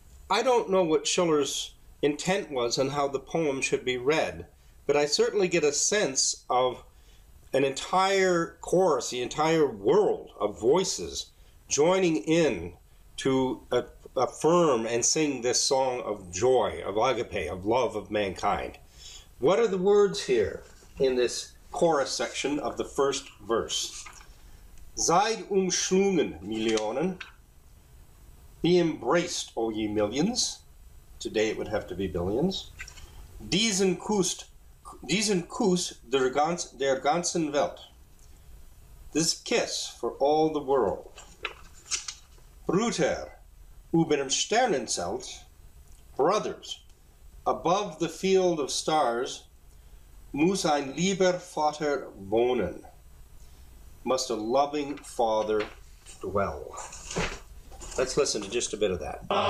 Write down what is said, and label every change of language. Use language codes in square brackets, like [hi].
[en] I don't know what Schiller's intent was and how the poem should be read, but I certainly get a sense of an entire chorus, the entire world of voices joining in to affirm and sing this song of joy, of agape, of love of mankind. What are the words here in this chorus section of the first verse? [de] Seid umschlungen, Millionen. [en] Be embraced, O ye millions. Today it would have to be billions. [de] Diesen Kuss der ganzen Welt. [en] This kiss for all the world. [de] Brüder über dem Sternenzelt. [en] Brothers, above the field of stars, [de] muss ein lieber Vater wohnen. [en] Must a loving father dwell. Let's listen to just a bit of that.